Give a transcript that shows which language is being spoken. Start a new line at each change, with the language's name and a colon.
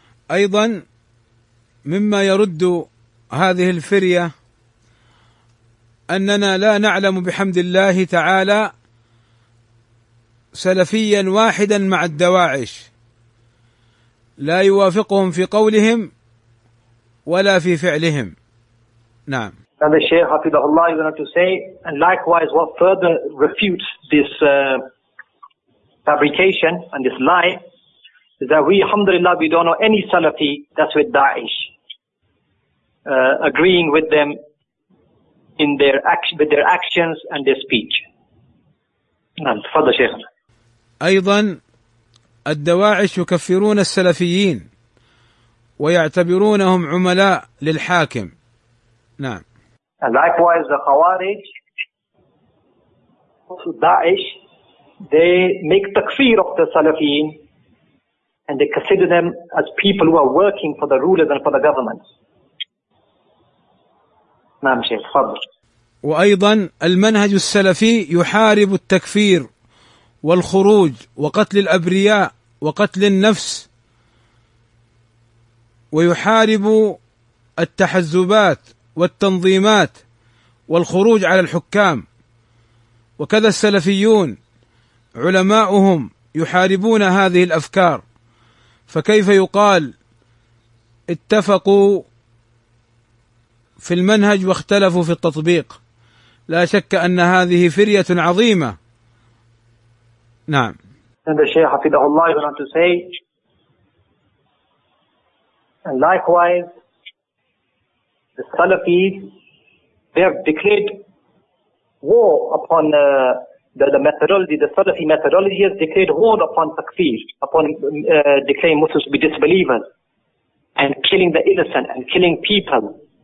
Arabic: أيضا مما يرد هذه الفرية أننا لا نعلم بحمد الله تعالى سلفيا واحدا مع الدواعش لا يوافقهم في قولهم ولا في فعلهم. نعم.
English: And the Shaykh Hafidhullah is going to say, and likewise what further refutes this fabrication and this lie is that we, alhamdulillah, we don't know any Salafi that's with Daesh, agreeing with them in their action, with their actions and their speech.
Arabic: نعم. تفضل شيخ. أيضا الدواعش يكفرون السلفيين ويعتبرونهم عملاء للحاكم. نعم.
English: And likewise the Khawarij, also Daesh, they make takfir of the Salafiyin and they consider them as people who are working for the rulers and for the government.
Arabic: نعم شيخ تفضل. وأيضا المنهج السلفي يحارب التكفير والخروج وقتل الأبرياء وقتل النفس ويحارب التحزبات والتنظيمات والخروج على الحكام. وكذا السلفيون علماؤهم يحاربون هذه الأفكار، فكيف يقال اتفقوا في المنهج واختلفوا في التطبيق؟ لا شك أن هذه فرية عظيمة. نعم.
English: And the Shaykh Hafidah Allah went on to say, and likewise, the Salafis, they have declared war upon the methodology, the Salafi methodology has declared war upon takfir, upon declaring Muslims to be disbelievers, and killing the innocent, and killing people.